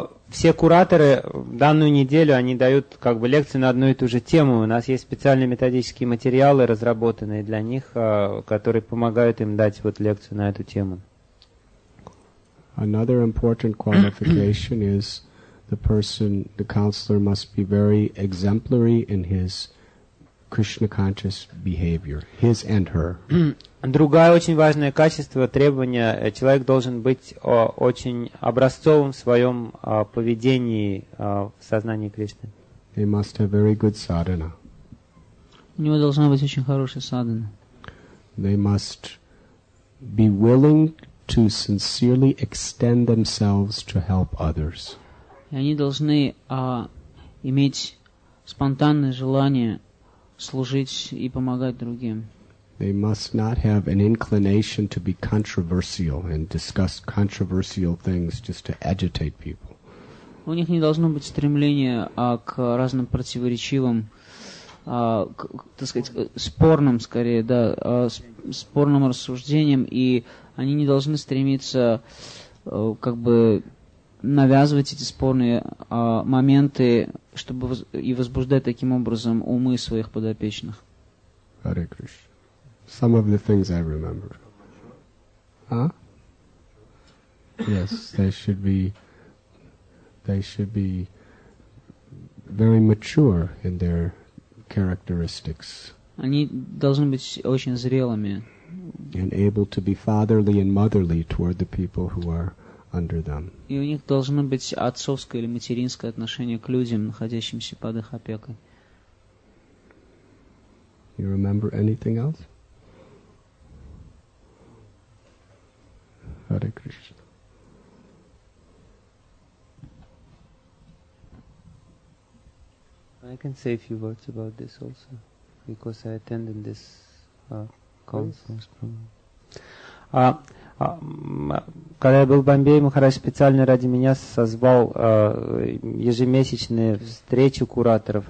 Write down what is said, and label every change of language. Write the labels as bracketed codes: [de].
[ru] Все кураторы данную неделю они дают как бы лекции на одну и ту же тему. У нас есть специальные методические материалы, разработанные для них, которые помогают им дать вот лекцию на эту тему. [en] Another important qualification is the person, the counselor must be very exemplary in his Krishna conscious behavior, his and her. [ru] Другое очень важное качество, требование, человек должен быть очень образцовым в своем поведении в сознании Кришны. [en] He must have very good sadhana. [ru] У него должна быть очень хорошая садхана. [en] They must be willing to sincerely extend themselves to help others. [ru] И они должны иметь спонтанное желание служить и помогать другим. [en] They must not have an inclination to be controversial and discuss controversial things just to agitate people. [ru] У них не должно быть стремления к разным противоречивым, так сказать, спорным, скорее, да, спорным рассуждениям, и они не должны стремиться, как бы, навязывать эти спорные моменты, чтобы и возбуждать таким образом умы своих подопечных. [en] Hare Krishna. Some of the things I remember. Huh? Yes, they should be very mature in their characteristics. [ru] Они должны быть очень зрелыми. [en] And able to be fatherly and motherly toward the people who are under them. [ru] И у них должно быть отцовское или материнское отношение к людям, находящимся под их опекой. [en] You remember anything else? Hare Krishna. I can say a few words about this also, because I attended this conference. [ru] Когда я был в Бомбее, Махарадж специально ради меня созвал ежемесячные встречи кураторов.